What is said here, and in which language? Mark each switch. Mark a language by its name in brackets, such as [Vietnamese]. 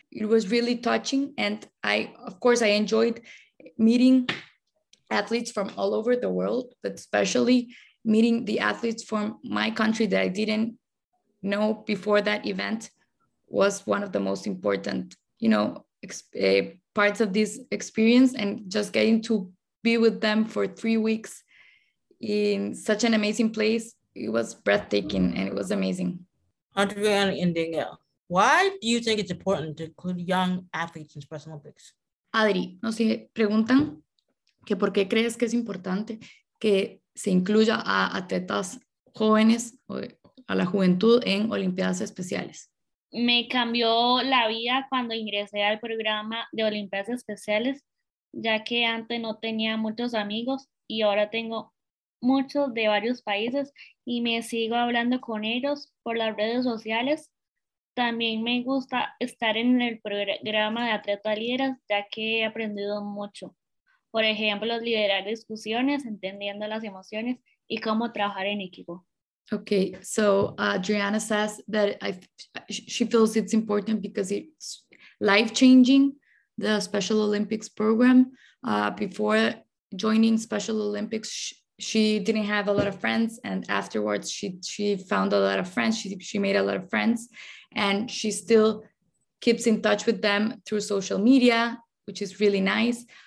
[English] It was really touching. And I, of course, I enjoyed meeting athletes from all over the world, but especially meeting the athletes from my country that I didn't know before that event was one of the most important, you know, parts of this experience. And just getting to be with them for 3 weeks in such an amazing place, it was breathtaking and it was amazing. Andreana and Danielle, why do you think it's important to include young athletes in Special Olympics? [Spanish] Adri, no se preguntan que por qué crees que es importante que se incluya a atletas jóvenes o a la juventud en Olimpiadas Especiales. Me cambió la vida cuando ingresé al programa de Olimpiadas Especiales, ya que antes no tenía muchos amigos y ahora tengo muchos de varios países y me sigo hablando con ellos por las redes sociales. También me gusta estar en el programa de Atletas Líderes, ya que he aprendido mucho. Por ejemplo, liderar discusiones, entendiendo las emociones y cómo trabajar en equipo. [English] Okay, so Adriana says that she feels it's important because it's life-changing, the Special Olympics program. Before joining Special Olympics, she didn't have a lot of friends, and afterwards she found a lot of friends, she made a lot of friends, and she still keeps in touch with them through social media, which is really nice.